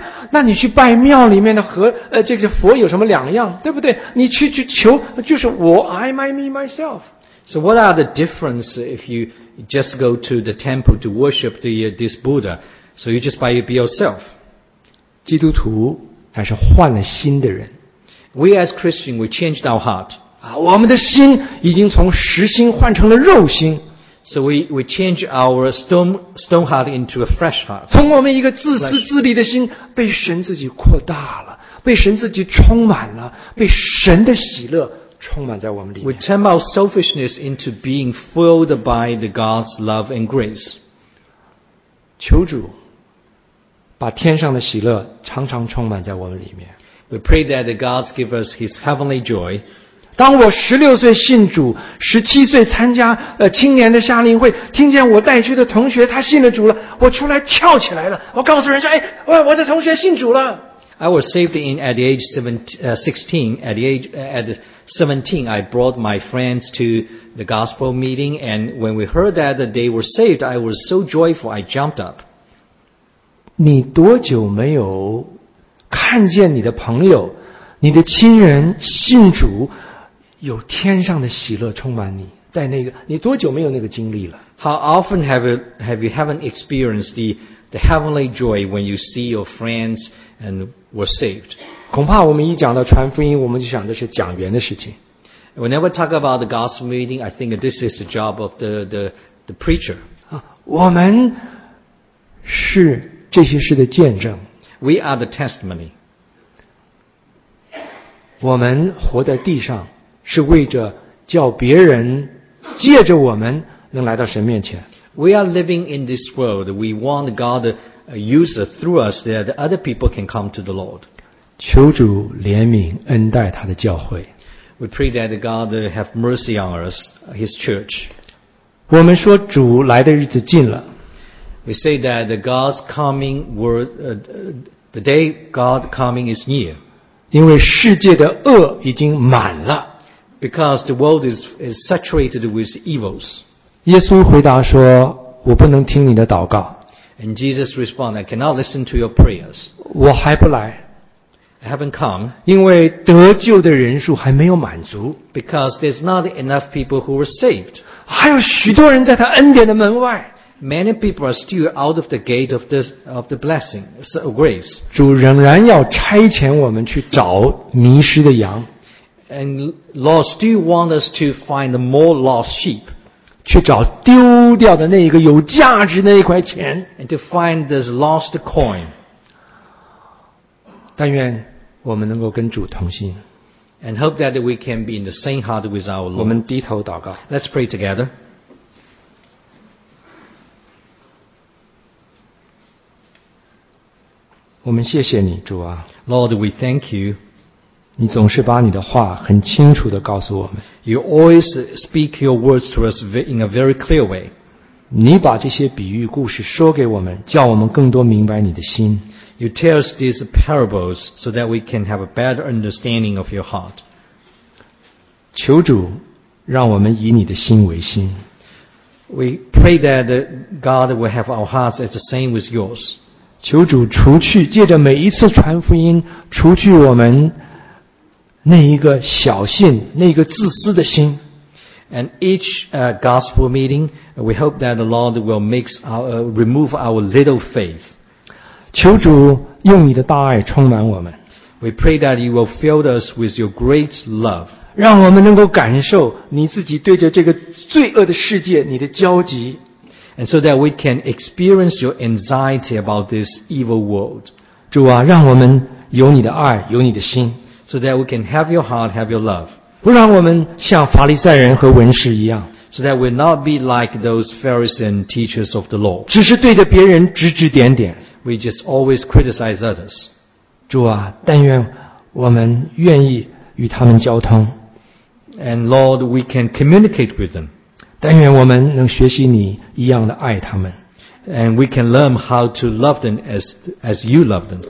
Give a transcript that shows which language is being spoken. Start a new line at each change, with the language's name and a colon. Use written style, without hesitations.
Chinese: 那你去拜庙里面的和这个佛有什么两样，对不对？你去求就是我
English: I, my, me, myself. So what are the difference if you just go to the temple to worship this Buddha? So you just by be yourself.
Chinese: 基督徒乃是换了心的人。
English: We as Christian, we changed our heart.
Chinese: 我们的心已经从石心换成了肉心。
English: So we change our stone heart into a fresh heart.
Chinese: 从我们一个自私自利的心被神自己扩大了，被神自己充满了，被神的喜乐充满在我们里面。
English: We turn our selfishness into being filled by the God's love and grace.
Chinese: 求主把天上的喜乐常常充满在我们里面。
English: We pray that the God give us His heavenly joy.
Chinese: 当我16岁信主，17岁参加青年的夏令会，听见我带去的同学他信了主了，我出来跳起来了，我告诉人说：“哎，我的同学信主了。”
English: I was saved in at the age 16. At the age at 17, I brought my friends to the gospel meeting, and when we heard that they were saved, I was so joyful. I jumped up.
Chinese: 你多久没有看见你的朋友、你的亲人信主，有天上的喜乐充满你？在那个，你多久没有那个经历了
English: ？How often haven't experienced the heavenly joy when you see your friends and were saved？
Chinese: 恐怕我们一讲到传福音，我们就想的是讲员的事情。
English: Whenever talk about the gospel meeting, I think this is the job of the preacher.
Chinese: 我们是。这些事的见证
English: We are the testimony.
Chinese: 我们活在地上是为着叫别人借着我们能来到神面前
English: We are living in this world. We want God to use us through us that other people can come to the Lord.
Chinese: 求主怜悯恩待他的教会
English: We pray that God have mercy on us, His church.
Chinese: 我们说主来的日子近了
English: We say that the God's coming word, the day God coming is near.
Chinese: 因为世界的恶已经满了。
English: Because the world is saturated with evils.
Chinese: 耶稣回答说，我不能听你的祷告。
English: And Jesus responded, I cannot listen to your prayers.
Chinese: 我还不来。
English: I haven't come.
Chinese: 因为得救的人数还没有满足。
English: Because there's not enough people who were saved.
Chinese: 还有许多人在他恩典的门外。
English: Many people are still out of the gate of, this, of the blessing, of grace.
Chinese: 主仍然要差遣我们去找迷失的羊。
English: And Lord still wants us to find the more lost sheep.
Chinese: 去找丢掉的那一个有价值的那一块钱。
English: And to find this lost coin.
Chinese: 但愿我们能够跟主同心。
English: And hope that we can be in the same heart with our Lord.
Chinese: 我们低头祷告。
English: Let's pray together.
Chinese: 我们谢谢你主啊
English: Lord we thank you
Chinese: 你总是把你的话很清楚地告诉我们
English: You always speak your words to us in a very clear way
Chinese: 你把这些比喻故事说给我们叫我们更多明白你的心
English: You tell us these parables so that we can have a better understanding of your heart
Chinese: 求主让我们以你的心为心
English: We pray that God will have our hearts as the same with yours
Chinese: 求主除去借着每一次传福音除去我们那一个小信那个自私的心
English: And each gospel meeting we hope that the Lord will remove our little faith
Chinese: 求主用你的大爱充满我们
English: We pray that you will fill us with your great love
Chinese: 让我们能够感受你自己对着这个罪恶的世界你的焦急
English: And so that we can experience your anxiety about this evil world.
Chinese: 主啊，让我们有你的爱，有你的心。
English: So that we can have your heart, have your love.
Chinese: 不让我们像法利赛人和文士一样。
English: So that we'll not be like those Pharisees and teachers of the law.
Chinese: 只是对着别人指指点点。
English: We just always criticize others.
Chinese: 主啊，但愿我们愿意与他们交通。
English: And Lord, we can communicate with them.
Chinese: 但愿我们能学习你一样的爱他们
English: And we can learn how to love them as you love them